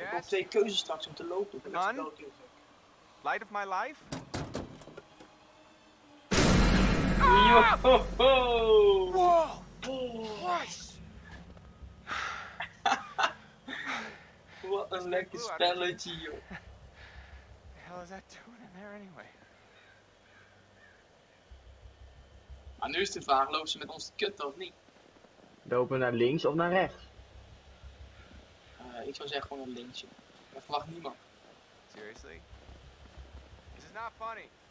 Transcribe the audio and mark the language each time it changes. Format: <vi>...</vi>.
<nl>Ik heb twee keuzes straks om te lopen.</nl> <en>Dan? Light of my life? Ah! Yo ho ho! Whoa! Christ!</en> <nl>Wat een lekker spelletje, joh.</nl> <en>The hell is that doing in there anyway?</en> <nl>Maar nu is de vraag, lopen ze met ons te kutten of niet? Lopen we naar links of naar rechts? Ik zou zeggen gewoon naar links, joh. Dat verwacht niemand.</nl> <en>Seriously? This is not funny.</en>